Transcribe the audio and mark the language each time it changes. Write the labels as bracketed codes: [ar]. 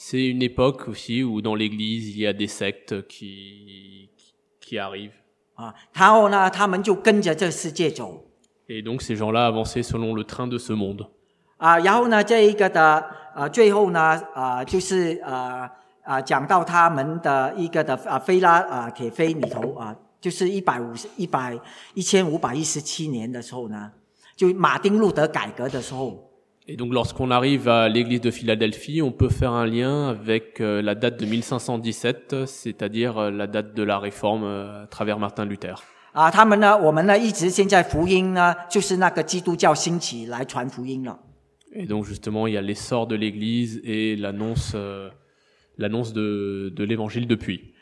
[fr] une époque aussi où dans l'église il y a des sectes qui arrivent. [zh] 然后呢，他们就跟着这世界走。 [fr] Et donc ces gens-là avançaient selon le train de ce monde. [zh] 然后呢，这一个的最后呢，就是讲到他们的一个的菲拉铁菲里头，就是1517年的时候呢，就马丁路德改革的时候。 [fr] Et donc lorsqu'on arrive à l'église de Philadelphie, on peut faire un lien avec la date de 1517, c'est-à-dire la date de la réforme à travers Martin Luther. [zh] 他们呢，我们呢，一直现在福音呢，就是那个基督教兴起来传福音了。 [fr] Et donc justement, il y a l'essor de l'Église et l'annonce de l'Évangile depuis.